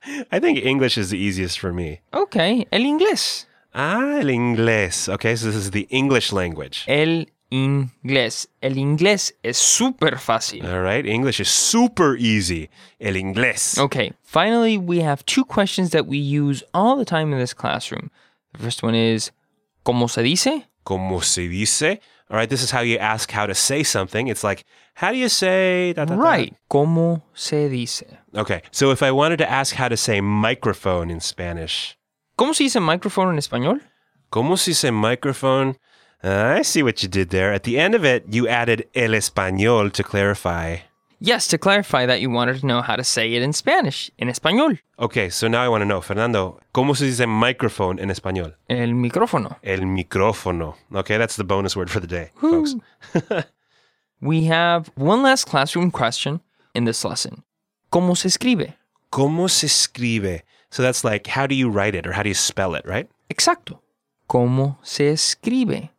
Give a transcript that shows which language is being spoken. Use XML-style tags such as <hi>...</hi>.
<en>I think English is the easiest for me.</en> <es>Okay, el inglés. Ah, el inglés.</es> <en>Okay, so this is the English language.</en> <es>El inglés. El inglés es super fácil.</es> <en>All right, English is super easy.</en> <es>El inglés.</es> <en>Okay, finally, we have two questions that we use all the time in this classroom. The first one is,</en> <es>¿cómo se dice? ¿Cómo se dice?</es> <en>All right, this is how you ask how to say something. It's like, how do you say...</en> <es>Da, da, right. Da. ¿Cómo se dice?</es> <en>Okay, so if I wanted to ask how to say microphone in Spanish...</en> <es>¿Cómo se dice microphone en español? ¿Cómo se dice microphone?</es> <en>I see what you did there. At the end of it, you added el español to clarify. Yes, to clarify that you wanted to know how to say it in Spanish, en español. Okay, so now I want to know, Fernando,</en> <es>¿cómo se dice microphone en español? El micrófono. El micrófono.</es> <en>Okay, that's the bonus word for the day, Ooh. Folks. We have one last classroom question in this lesson.</en> <es>¿Cómo se escribe? ¿Cómo se escribe?</es> <en>So that's like, how do you write it or how do you spell it, right?</en> <es>Exacto. ¿Cómo se escribe?</es>